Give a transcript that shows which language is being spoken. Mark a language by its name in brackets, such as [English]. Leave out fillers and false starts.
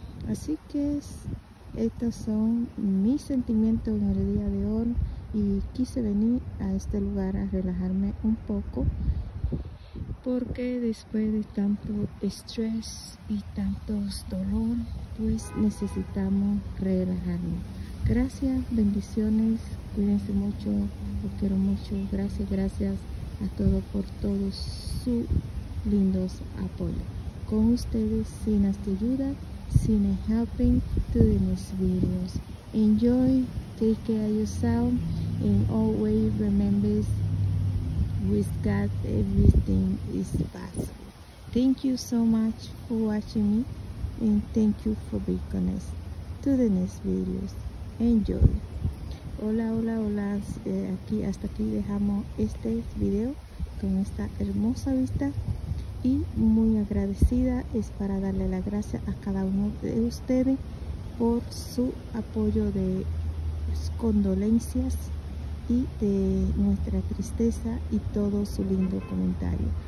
[Spanish] Así que estos son mis sentimientos en el día de hoy y quise venir a este lugar a relajarme un poco porque después de tanto estrés y tanto dolor, pues necesitamos relajarnos. Gracias, bendiciones, cuídense mucho, los quiero mucho. Gracias, gracias a todos por todo su lindo apoyo. Con ustedes, sin ayuda, sin [English] helping to [Spanish] mis videos. [English] Enjoy, take care of yourself, and always remember, with God, everything is possible. Thank you so much for watching me, and thank you for being connected to the next videos. Enjoy. [Spanish] Hola, hola, hola. Aquí, hasta aquí dejamos este video con esta hermosa vista. Y muy agradecida es para darle la gracia a cada uno de ustedes por su apoyo de condolencias y de nuestra tristeza y todo su lindo comentario.